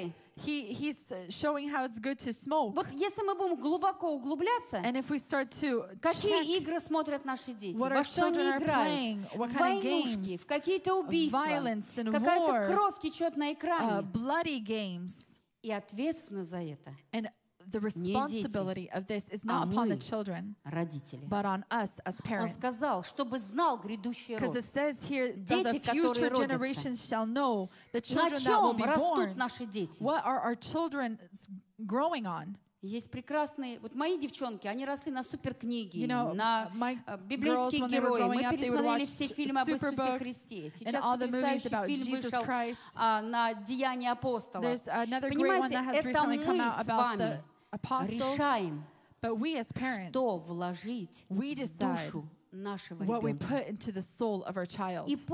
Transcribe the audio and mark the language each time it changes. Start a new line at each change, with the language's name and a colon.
English: Home. He's showing how it's good to smoke.
Russian: Вот если мы будем глубоко углубляться,
English: and if we start to
Russian: какие игры смотрят наши дети,
English: what
Russian: во что они играют,
English: what kind
Russian: войнушки,
English: of games,
Russian: в какие-то убийства,
English: violence and
Russian: какая-то
English: war,
Russian: кровь течет на экране,
English: bloody games,
Russian: и ответственность за это.
English: And the responsibility of this is not upon the children,
Russian: родители.
English: But on us as parents.
Russian: Он сказал, чтобы знал грядущий род.
English: Because it says here that
Russian: дети,
English: the future generations shall know the children that will be born. What are our children growing on?
Russian: Есть прекрасные, вот мои девчонки, они росли на суперкниге,
English: you know,
Russian: на библейских героях. Мы пересмотрели
English: up,
Russian: все фильмы об Иисусе Христе. Сейчас потрясающий фильм вышел на Деяния апостола. Понимаете, это мы с вами.
English: apostles, but we as parents, we decide what we put into the soul of our child.